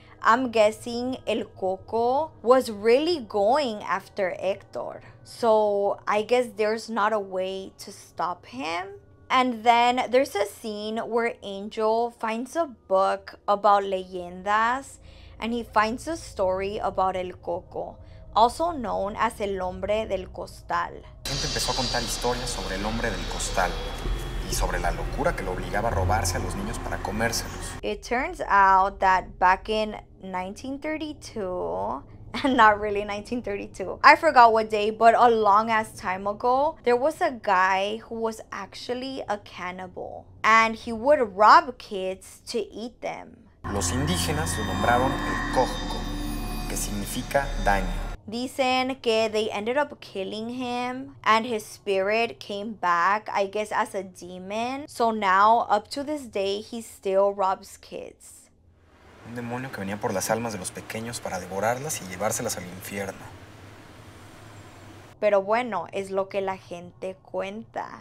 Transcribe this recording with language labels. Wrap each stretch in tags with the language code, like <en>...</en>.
<en>I'm guessing el Coco was really going after Hector, so I guess there's not a way to stop him. And then there's a scene where Angel finds a book about leyendas and he finds a story about El Coco, also known as El Hombre del Costal.</en> <es>La gente empezó a contar historias sobre El Hombre del Costal y sobre la locura que lo obligaba a robarse a los niños para comérselos.</es> <en>It turns out that back in 1932... Not really 1932. I forgot what day, but a long ass time ago, there was a guy who was actually a cannibal. And he would rob kids to eat them.</en> <es>Los indígenas lo nombraron el cojo, que significa daño. Dicen que</es> <en>they ended up killing him and his spirit came back, I guess, as a demon. So now, up to this day, he still robs kids.</en> <es>Un demonio que venía por las almas de los pequeños para devorarlas y llevárselas al infierno. Pero bueno, es lo que la gente cuenta.</es>